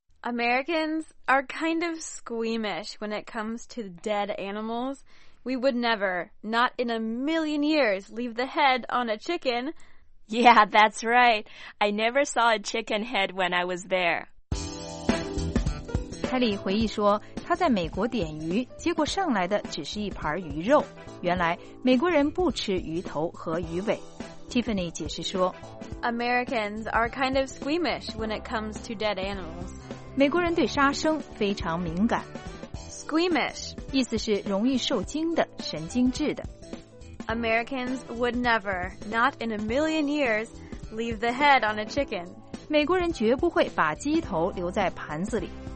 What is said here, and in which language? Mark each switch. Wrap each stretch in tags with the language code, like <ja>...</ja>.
<en>Americans are kind of squeamish when it comes to dead animals. We would never, not in a million years, leave the head on a chicken. Yeah, that's right. I never saw a chicken head when I was there.</en> <zh>凯莉回忆说，他在美国点鱼，结果上来的只是一盘鱼肉。原来美国人不吃鱼头和鱼尾。 Tiffany 解释说，</zh> <en>Americans are kind of squeamish when it comes to dead animals.</en> <zh>美国人对杀生非常敏感。</zh> <en>Squeamish</en> <zh>意思是容易受惊的，神经质的。</zh> <en>Americans would never, not in a million years, leave the head on a chicken.</en> <zh>美国人绝不会把鸡头留在盘子里。</zh>